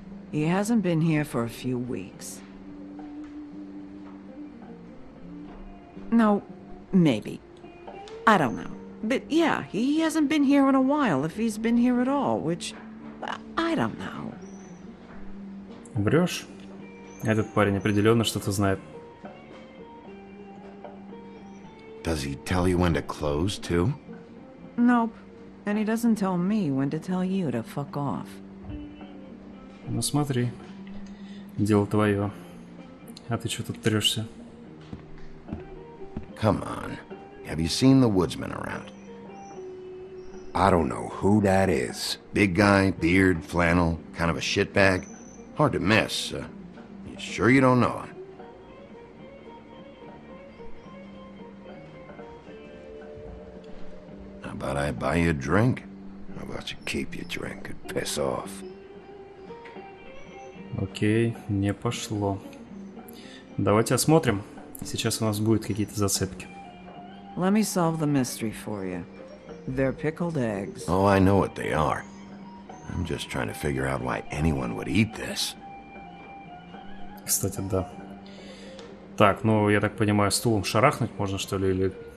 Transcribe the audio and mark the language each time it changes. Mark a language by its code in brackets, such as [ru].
[en] He hasn't been here for a few weeks. No, maybe. I don't know. But yeah, he hasn't been here in a while, if he's been here at all, which... I don't know. [ru] Врёшь? Этот парень определённо что-то знает. [en] Does he tell you when to close, too? Nope. And he doesn't tell me when to tell you to fuck off. [ru] Ну смотри. Дело твоё. А ты чё тут трёшься? [en] Come on. Have you seen the woodsman around? I don't know who that is. Big guy, beard, flannel, kind of a shitbag. Hard to miss. You sure you don't know him? How about I buy you a drink? How about you keep your drink and piss off? [ru] Окей, не пошло. Давайте осмотрим. Сейчас у нас будут какие-то зацепки. [en] Let me solve the mystery for you. They're pickled eggs. Oh, I know what they are. I'm just trying to figure out why anyone would eat this. [ru] Кстати, да. Так, ну, я так понимаю, стулом шарахнуть можно, что ли, или...